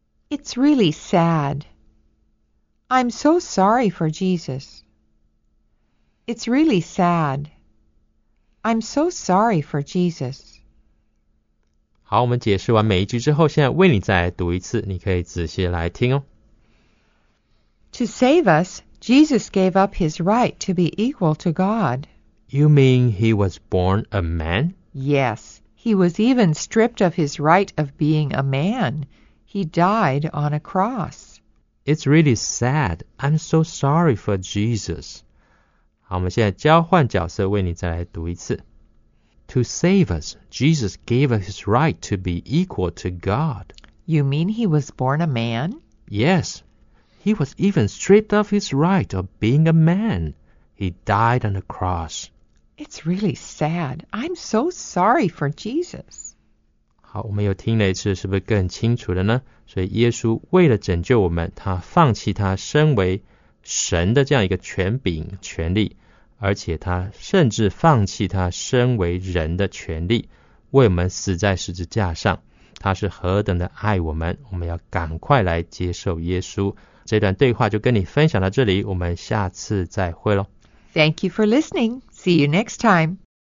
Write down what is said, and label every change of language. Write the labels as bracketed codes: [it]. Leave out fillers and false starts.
[en] It's really sad. I'm so sorry for Jesus. It's really sad. I'm so sorry for Jesus. [zh] 好，我们解释完每一句之后，现在为你再读一次，你可以仔细来听哦。 [en] To save us, Jesus gave up his right to be equal to God. You mean he was born a man? Yes, he was even stripped of his right of being a man. He died on a cross. It's really sad. I'm so sorry for Jesus. [zh] 好，我们现在交换角色，为你再来读一次。 [en] To save us, Jesus gave us his right to be equal to God. You mean he was born a man? Yes. He was even stripped of his right of being a man. He died on the cross. It's really sad. I'm so sorry for Jesus. [zh] 好，我们又听了一次，是不是更清楚了呢？所以耶稣为了拯救我们，他放弃他身为神的这样一个权柄、权力。而且他甚至放弃他身为人的权利，为我们死在十字架上。他是何等的爱我们，我们要赶快来接受耶稣。这段对话就跟你分享到这里，我们下次再会咯。 [en] Thank you for listening. See you next time.